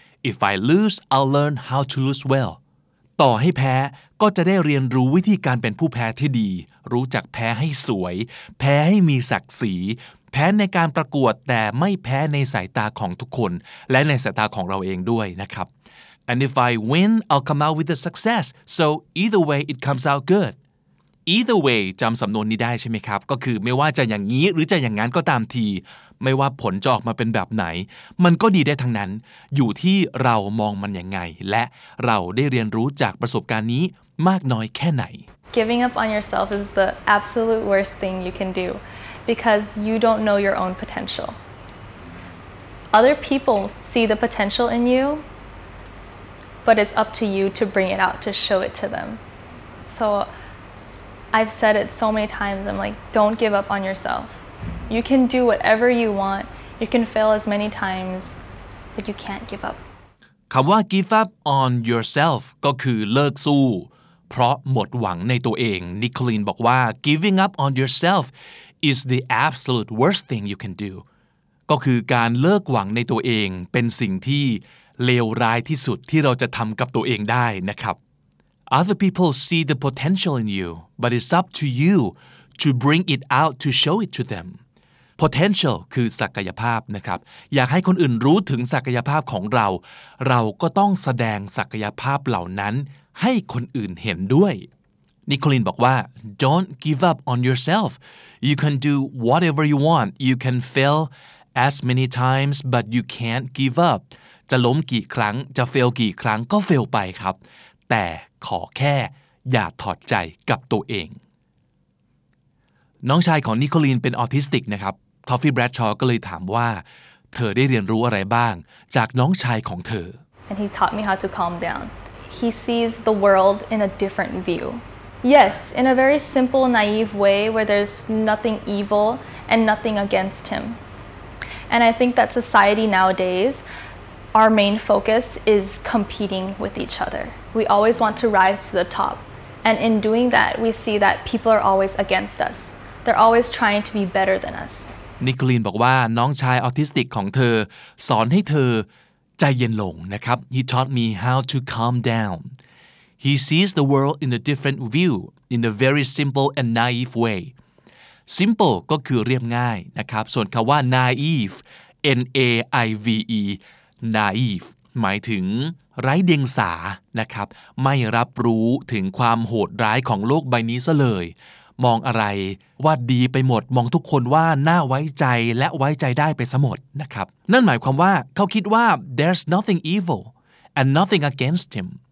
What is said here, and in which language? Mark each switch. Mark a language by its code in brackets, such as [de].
[en] If I lose I'll learn how to lose well [th] ต่อให้แพ้ก็จะได้เรียนรู้วิธีการเป็นผู้แพ้ที่ดีรู้จักแพ้ให้สวยแพ้ให้มีศักดิ์ศรีแพ้ในการประกวดแต่ไม่แพ้ในสายตาของทุกคนและในสายตาของเราเองด้วยนะครับ [en] And if I win, I'll come out with a success. So either way, it comes out good. Either way, [th] จำสำนวนนี้ได้ใช่ไหมครับก็คือไม่ว่าจะอย่างนี้หรือจะอย่างนั้นก็ตามทีไม่ว่าผลจะออกมาเป็นแบบไหนมันก็ดีได้ทั้งนั้นอยู่ที่เรามองมันยังไงและเราได้เรียนรู้จากประสบการณ์นี้มากน้อยแค่ไหน [en] Giving up on yourself is the absolute worst thing you can do because you don't know your own potential. Other people see the potential in you. But it's up to you to bring it out, to show it to them. So I've said it so many times, I'm like, don't give up on yourself. You can do whatever you want. You can fail as many times, but you can't give up. [th] คำว่า give up on yourself ก็คือเลิกสู้เพราะหมดหวังในตัวเอง นิโคลีนบอกว่า [en] giving up on yourself is the absolute worst thing you can do. [th] ก็คือการเลิกหวังในตัวเองเป็นสิ่งที่เลวร้ายที่สุดที่เราจะทำกับตัวเองได้นะครับ [en] Other people see the potential in you, but it's up to you to bring it out to show it to them. [th] Potential คือศักยภาพนะครับอยากให้คนอื่นรู้ถึงศักยภาพของเราเราก็ต้องแสดงศักยภาพเหล่านั้นให้คนอื่นเห็นด้วยนิโคลีนบอกว่า [en] Don't give up on yourself. You can do whatever you want. You can fail as many times, but you can't give up. [th] จะล้มกี่ครั้งจะเฟลกี่ครั้งก็เฟลไปครับแต่ขอแค่อย่าถอดใจกับตัวเอง น้องชายของนิโคลีนเป็นออทิสติกนะครับทอฟฟี่แบรดชอว์ก็เลยถามว่าเธอได้เรียนรู้อะไรบ้างจากน้องชายของเธอ [en] And he taught me how to calm down. He sees the world in a different view. Yes, in a very simple, naive way where there's nothing evil and nothing against him. And I think that society nowadays, our main focus is competing with each other. We always want to rise to the top. And in doing that, we see that people are always against us. They're always trying to be better than us. [th] นิโคลีนบอกว่าน้องชายออทิสติกของเธอสอนให้เธอใจเย็นลงนะครับ [en] He taught me how to calm down. He sees the world in a different view, in a very simple and naive way. [th] Simple ก็คือเรียบง่ายนะครับส่วนคำว่า naive, N-A-I-V-E, naive หมายถึงไร้เดียงสานะครับไม่รับรู้ถึงความโหดร้ายของโลกใบนี้ซะเลยมองอะไรว่าดีไปหมดมองทุกคนว่าน่าไว้ใจและไว้ใจได้ไปซะหมดนะครับนั่นหมายความว่าเขาคิดว่า [en] there's nothing evil and nothing against him